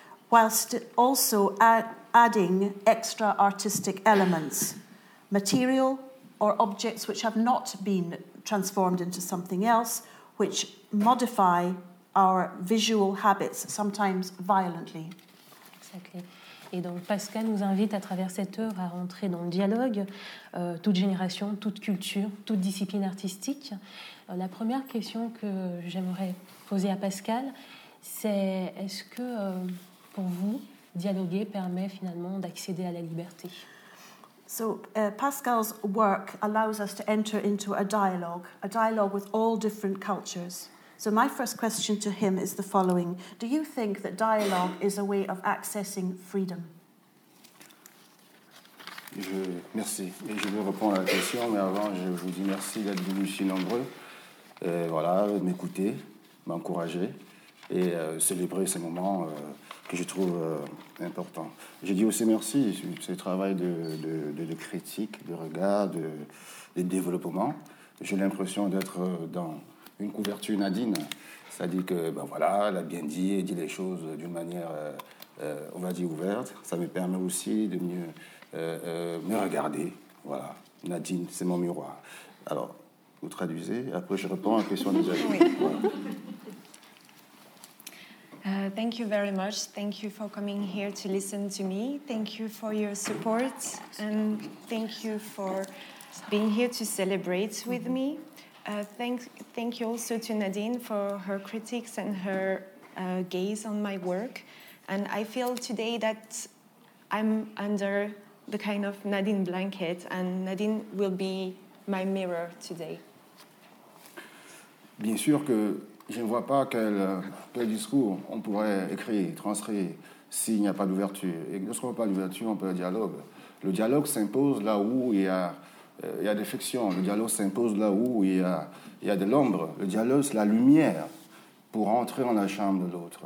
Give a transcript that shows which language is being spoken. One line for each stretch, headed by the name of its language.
English: whilst also adding extra artistic elements, material or objects which have not been transformed into something else, which modify our visual habits, sometimes violently. Exactly.
French: Et donc Pascal nous invite à travers cette œuvre à rentrer dans le dialogue, toute génération, toute culture, toute discipline artistique. La première question que j'aimerais poser à Pascal, c'est est-ce que pour vous, dialoguer permet finalement d'accéder à la liberté?
English: So Pascal's work allows us to enter into a dialogue with all different cultures. So my first question to him is the following. Do you think that dialogue is a way of accessing freedom?
French: Merci. Et je vais répondre à la question, mais avant, je vous dis merci d'être venus si nombreux. Voilà, m'écouter, m'encourager et célébrer ce moment que je trouve important. J'ai dit aussi merci, ce travail de critique, de regard, de développement. J'ai l'impression d'être dans une couverture Nadine, ça dit que, ben voilà, elle a bien dit, elle dit les choses d'une manière on va dire ouverte. Ça me permet aussi de mieux me regarder. Voilà, Nadine, c'est mon miroir. Alors, vous traduisez, après je réponds à la question des amis. Voilà.
English: Thank you very much. Thank you for coming here to listen to me. Thank you for your support. And thank you for being here to celebrate with me. Thank you also to Nadine for her critiques and her gaze on my work. And I feel today that I'm under the kind of Nadine blanket, and Nadine will be my mirror today.
French: Bien sûr que je ne vois pas quel discours on pourrait écrire, transcrire, s'il n'y a pas d'ouverture. Et lorsqu'on n'a pas d'ouverture, on peut avoir dialogue. Le dialogue s'impose là où il y a des fictions. Le dialogue s'impose là où il y a de l'ombre. Le dialogue, c'est la lumière pour entrer dans la chambre de l'autre.